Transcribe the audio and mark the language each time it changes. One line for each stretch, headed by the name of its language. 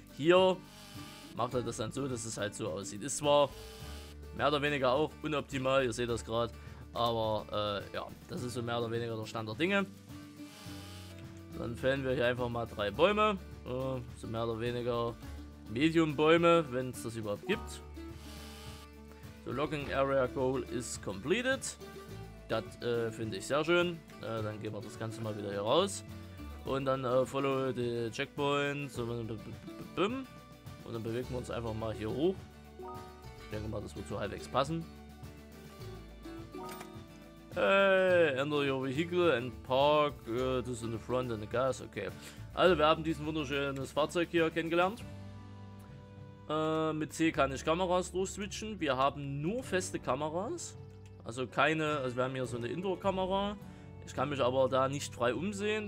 German: Hier macht er das dann so, dass es halt so aussieht. Ist zwar mehr oder weniger auch unoptimal, ihr seht das gerade, aber ja, das ist so mehr oder weniger der Stand der Dinge. Dann fällen wir hier einfach mal 3 Bäume, so mehr oder weniger Medium-Bäume, wenn es das überhaupt gibt.
English: The Logging Area Goal is completed.
German: Das finde ich sehr schön. Dann gehen wir das Ganze mal wieder hier raus. Und dann
English: follow the checkpoint.
German: Und dann bewegen wir uns einfach mal hier hoch. Ich denke mal, das wird so halbwegs passen.
English: Enter your vehicle and park.
German: Das ist
English: in the front and the gas.
German: Okay. Also, wir haben diesen wunderschönes Fahrzeug hier kennengelernt. Mit C kann ich Kameras durchswitchen. Wir haben nur feste Kameras. Also keine, also wir haben hier so eine Indoor-Kamera. Ich kann mich aber da nicht frei umsehen.